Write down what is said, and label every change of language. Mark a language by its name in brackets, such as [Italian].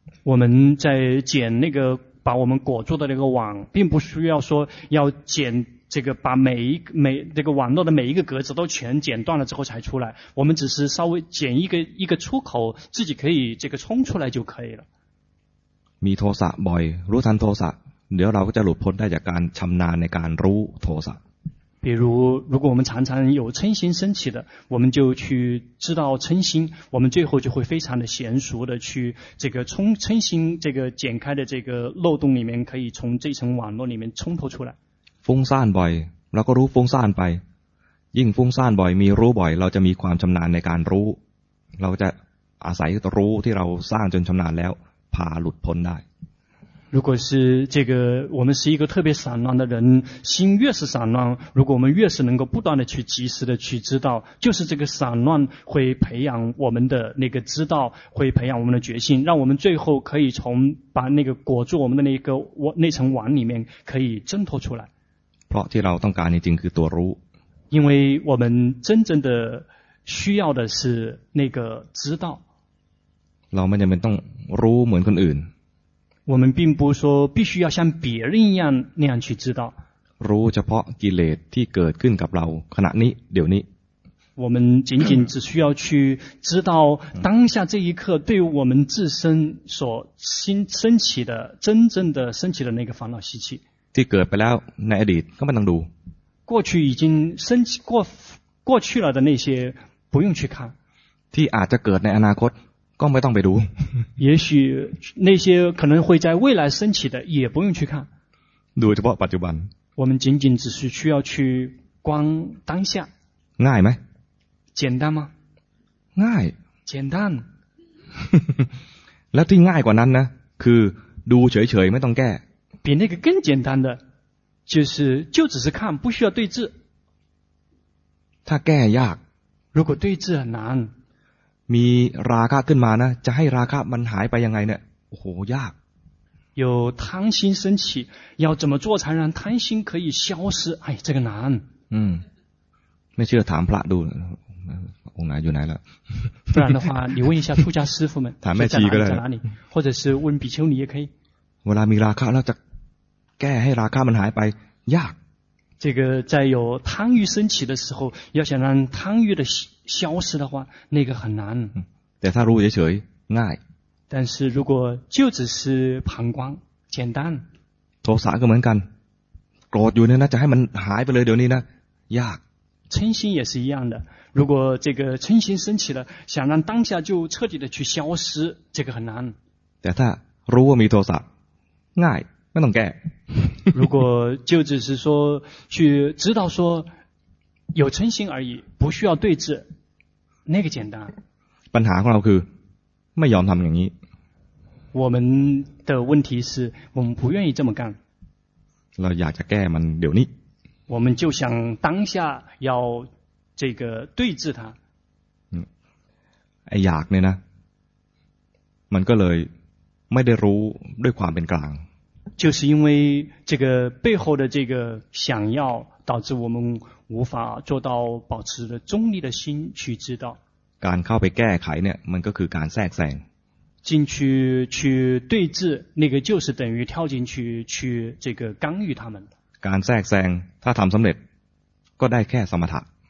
[Chinese] 我们在剪那个把我们裹住的那个网，并不需要说要剪这个把每这个网络的每一个格子都全剪断了之后才出来。我们只是稍微剪一个出口，自己可以这个冲出来就可以了。 [Thai] มีโทสะบ่อยรู้ทันโทสะเดี๋ยวเราก็จะหลุดพ้นได้จากการชำนาญในการรู้โทสะ [Chinese] 比如如果我们常常有嗔心升起的我们就去知道嗔心我们最后就会非常的娴熟的去这个从嗔心这个剪开的这个漏洞里面可以从这层网络里面冲脱出来 [Thai] ฟุ้งซ่านบ่อยเราก็รู้ฟุ้งซ่านไปยิ่งฟุ้งซ่านบ่อยมีรู้บ่อยเราจะมีความชำนาญในการรู้เราจะอาศัยรู้ที่เราสร้างจนชำนาญแล้วพาหลุดพ้นได้ [Chinese] 如果是这个我们是一个特别散乱的人心越是散乱如果我们越是能够不断的去及时的去知道就是这个散乱会培养我们的那个知道会培养我们的决心让我们最后可以从把那个裹住我们的那个那层网里面可以挣脱出来 [Thai] เพราะที่เราต้องการจริงๆคือตัวรู้ [Chinese] 因为我们真正的需要的是那个知道 [Thai] เราไม่จำเป็นต้องรู้เหมือนคนอื่น [Chinese] 我们并不说必须要像别人一样那样去知道 [Thai] รู้เฉพาะกิเลสที่เกิดขึ้นกับเราขณะนี้เดี๋ยวนี้ [Chinese] 我们仅仅只需要去知道当下这一刻对我们自身所升起的真正的升起的那个烦恼习气 [Thai] ที่เกิดไปแล้วในอดีตก็ไม่ต้องดู [Chinese] 过去已经升起过去了的那些不用去看 [Thai] ที่อาจจะเกิดในอนาคตก็ไม่ต้องไปดู [Chinese] 也许那些可能会在未来升起的也不用去看 [Thai] ดูเฉพาะปัจจุบัน [Chinese] 我们仅仅只是需要去观当下 [Thai] ง่ายไหม [Chinese] 简单吗 [Thai] ง่าย [Chinese] 简单 [Thai] แล้วที่ง่ายกว่านั้นนะคือดูเฉยๆไม่ต้องแก้ [Chinese] 比那个更简单的就只是看不需要对治 [Thai] ถ้าแก้ยาก [Chinese] 如果对治很难 [Thai] มีราคะขึ้นมานะจะให้ราคะมันหายไปยังไงเนี่ยโอ้โหยาก [Chinese] 有贪心升起要怎么做才让贪心可以消失哎这个难 [Thai] ไม่เชื่อถามพระดูองค์ไหนอยู่ไหนล่ะ [Chinese] 不然的话你问一下出家师父们 [Thai] ถามแม่ชีก็ได้ [Chinese] 在哪里或者是问比丘尼也可以 [Thai] เวลามีราคะแล้วจะแก้ให้ราคะมันหายไปยาก [Chinese] 这个在有贪欲升起的时候要想让贪欲的消失的话那个很难 [Thai] แต่ถ้ารู้เฉยๆง่าย [Chinese] 但是如果就只是旁观简单 [Thai] โทสะก็เหมือนกันโกรธอยู่เนี่ยนะจะให้มันหายไปเลยเดี๋ยวนี้นะยาก [Chinese] 嗔心也是一样的如果这个嗔心升起了想让当下就彻底的去消失这个很难 [Thai] แต่ถ้ารู้ว่ามีโทสะง่ายไม่ต้องแก้ [Chinese] 如果就只是说去知道说有嗔心而已不需要对治那个简单 [Thai] ปัญหาของเราคือไม่ยอมทำอย่างนี้ [Chinese] 我们的问题是我们不愿意这么干 [Thai] เราอยากจะแก้มันเดี๋ยวนี้ [Chinese] 我们就想当下要这个对治它 [Thai] อยากเนี่ยนะมันก็เลยไม่ได้รู้ด้วยความเป็นกลาง [Chinese] 就是因为这个背后的这个想要导致我们无法做到保持的中立的心去知道 [Thai] การเข้าไปแก้ไขเนี่ยมันก็คือการแทรกแซง [Chinese] 进去去对峙那个就是等于跳进去去这个干预他们 [Thai] การแทรกแซงถ้าทำสำเร็จก็ได้แค่สมถะ